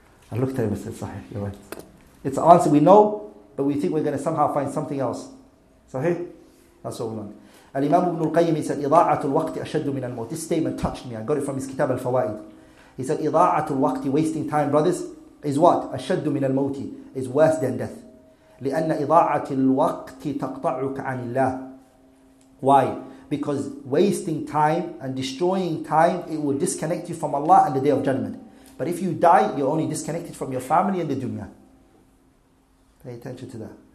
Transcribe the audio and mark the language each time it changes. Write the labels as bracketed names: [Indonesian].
[English] I looked at him and said, sahih, you're right. It's an answer we know, but we think we're going to somehow find something else. Sahih? That's what we want. Al-Imam ibn al-Qayyim, he said, [Arabic] إِضَاعَةُ الْوَقْتِ أَشَدُّ مِنَ الْمَوْتِ. [English] This statement touched me. I got it from his kitab al-fawaid. He said, [Arabic] إِضَاعَةُ الْوَقْتِ, [English] wasting time, brothers, is what? [Arabic] أَشَدُّ مِنَ الْمَوْتِ, [English] is worse than death. [Arabic] لأن إضاعة الوقت تقطعك عن الله. [English] Why? Because wasting time and destroying time, it will disconnect you from Allah and the Day of Judgment. But if you die, you're only disconnected from your family and the dunya. Pay attention to that.